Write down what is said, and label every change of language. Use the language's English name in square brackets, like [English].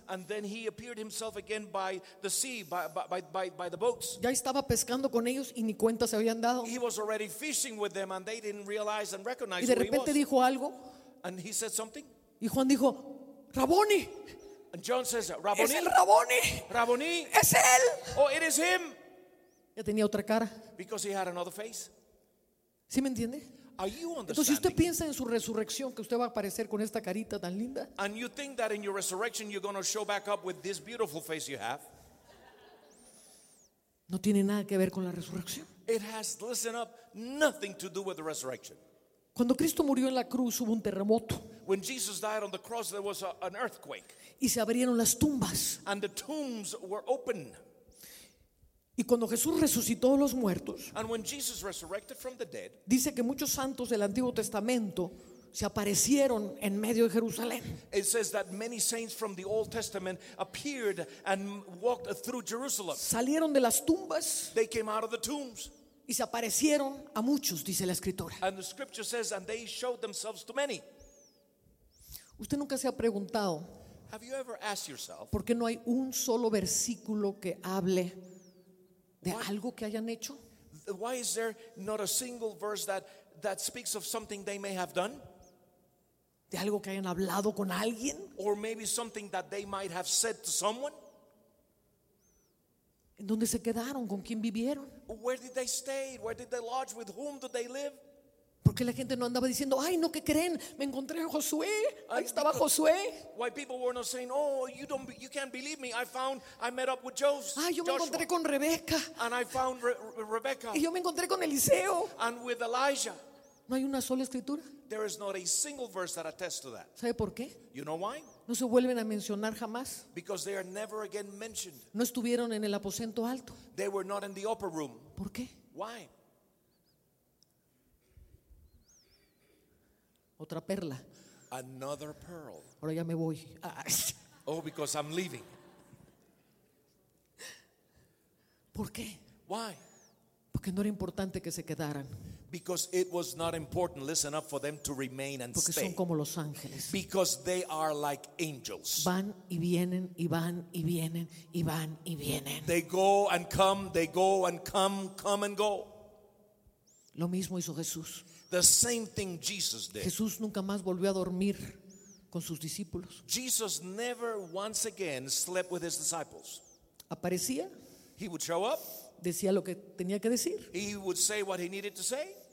[English] And then he appeared himself again by the sea, by the boats. [Spanish] Ya estaba pescando con ellos y ni cuenta se habían dado. [English] He was already fishing with them and they didn't realize and recognize him. [Spanish] Y de repente dijo algo. [English] And he said something. [Spanish] Y Juan dijo, Raboni. [English] And John says, Raboni. [Spanish] Es el Raboni. Raboni. Es él. [English] Oh, it is him. [Spanish] Ya tenía otra cara. [English] Because he had another face. [Spanish] ¿Sí me entiende? [English] Are you understanding? [Spanish] Entonces, si usted piensa en su resurrección, que usted va a aparecer con esta carita tan linda. [English] And you think that in your resurrection you're going to show back up with this beautiful face you have. [Spanish] No tiene nada que ver con la resurrección. [English] It has, listen up, nothing to do with the resurrection. [Spanish] Cuando Cristo murió en la cruz hubo un terremoto. [English] When Jesus died on the cross there was an earthquake. [Spanish] Y se abrieron las tumbas. [English] And the tombs were open. [Spanish] Y cuando Jesús resucitó los muertos, [English] and when Jesus resurrected from the dead, [Spanish] dice que muchos santos del Antiguo Testamento se aparecieron en medio de Jerusalén. [English] It says that many saints from the Old Testament appeared and walked through Jerusalem. [Spanish] Salieron de las tumbas. [English] They came out of the tombs. [Spanish] Y se aparecieron a muchos, dice la Escritura. [English] And the scripture says, and they showed themselves to many. [Spanish] ¿Usted nunca se ha preguntado, [English] have you ever asked yourself, [Spanish] por qué no hay un solo versículo que hable de algo que hayan hecho? [English] Why is there not a single verse that speaks of something they may have done? [Spanish] De algo que hayan hablado con alguien? [English] Or maybe something that they might have said to someone? [Spanish] ¿En dónde se quedaron? ¿Con quién vivieron? [English] Where did they stay? Where did they lodge? With whom did they live? [Spanish] Porque la gente no andaba diciendo, ay, no, ¿qué creen? Me encontré a Josué. Ahí estaba Josué. [English] Why people were not saying, oh, you can't believe me. I met up with Joseph. [Spanish] Ay, yo me encontré con Rebeca. [English] And I found Rebecca. [Spanish] Y yo me encontré con Eliseo. [English] And with Elijah. [Spanish] No hay una sola escritura. [English] There is not a single verse that attests to that. [Spanish] ¿Sabe por qué? [English] You know why? [Spanish] No se vuelven a mencionar jamás. [English] Because they are never again mentioned. [Spanish] No estuvieron en el aposento alto. [English] They were not in the upper room. [Spanish] ¿Por qué? [English] Why? [Spanish] Otra perla. [English] Another pearl. [Spanish] Ahora ya me voy. [English] Oh, because I'm leaving. [Spanish] ¿Por qué? [English] Why? [Spanish] Porque no era importante que se quedaran. [English] Because it was not important, listen up, for them to remain and [Spanish] porque [English] stay. [Spanish] Porque son como los ángeles. [English] Because they are like angels. [Spanish] Van y vienen, y van y vienen, y van y vienen. [English] They go and come, they go and come, come and go. [Spanish] Lo mismo hizo Jesús. [English] The same thing Jesus did. [Spanish] Jesús nunca más volvió a dormir con sus discípulos. [English] Jesus never once again slept with his disciples. [Spanish] Aparecía. [English] He would show up. [Spanish] Decía lo que tenía que decir. [English] He would say what he needed to say.